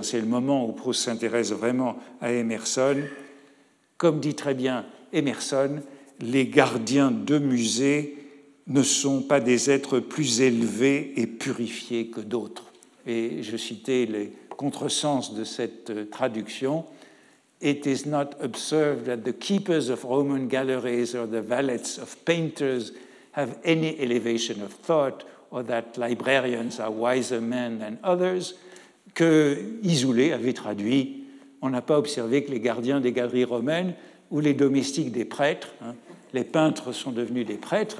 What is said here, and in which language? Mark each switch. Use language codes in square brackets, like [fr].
[fr] C'est le moment où Proust s'intéresse vraiment à Emerson. Comme dit très bien Emerson, les gardiens de musées ne sont pas des êtres plus élevés et purifiés que d'autres. Et je citais les contresens de cette traduction. [en] It is not observed that the keepers of Roman galleries or the valets of painters have any elevation of thought, or that librarians are wiser men than others. [fr] Que Isoulet avait traduit, on n'a pas observé que les gardiens des galeries romaines ou les domestiques des prêtres, hein, les peintres sont devenus des prêtres.